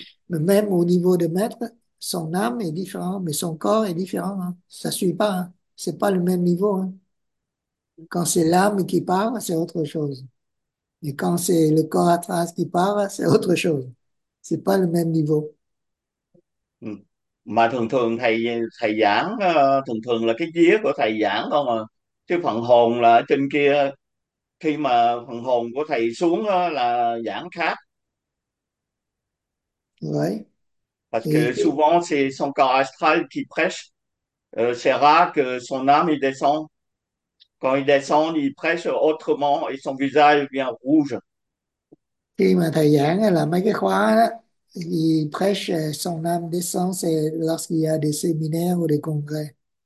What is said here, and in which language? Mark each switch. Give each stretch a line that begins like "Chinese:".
French: Mais même au niveau de maître, son âme est différente, mais son corps est différent. Hein. Ça suit pas. Hein. C'est pas le même niveau. Hein. Quand c'est l'âme qui parle, c'est autre chose. Et quand c'est le corps astral qui parle, c'est autre chose. C'est pas le même niveau.
Vietnamese: Mà thường thường thầy thầy giảng thường thường là cái vía của thầy giảng thôi mà, chứ phần hồn là trên kia, khi mà phần hồn của thầy xuống là giảng khác. Vậy.
French: Parce que Et... souvent c'est son corps astral qui prêche, c'est rare que son âme il descend. Quand il descend, il prêche autrement et son visage devient rouge.
Vietnamese: Khi mà thầy giảng là mấy cái khóa đó,
French: il prêche son âme descend, c'est lorsqu'il y a des séminaires ou des congrès.